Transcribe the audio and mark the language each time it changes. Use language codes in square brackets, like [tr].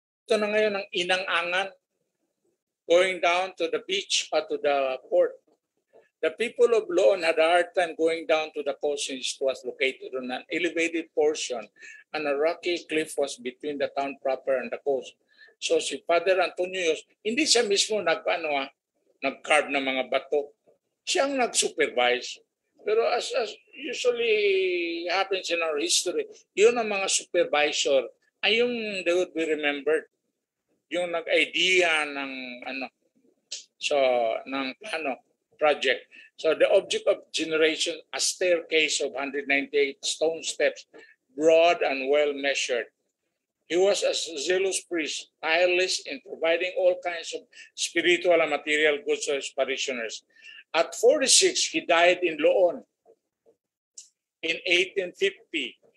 [tl] Ito na ngayon ang Inangangan. [en] Going down to the beach or to the port. The people of Loon had a hard time going down to the coast since it was located on an elevated portion and a rocky cliff was between the town proper and the coast. [tl] So si Father Antonio Yus, hindi siya mismo nag-carve ng mga bato. Siyang nag-supervise. [en] Pero as usually happens in our history, [tl] yun ang mga supervisor, ayong [en] they would be remembered. [tl] Yung nag-idea ng ano, so ng plano. [en] project. So the object of generation, a staircase of 198 stone steps, broad and well measured. He was a zealous priest, tireless in providing all kinds of spiritual and material goods to his parishioners. At 46, he died in Loon in 1850.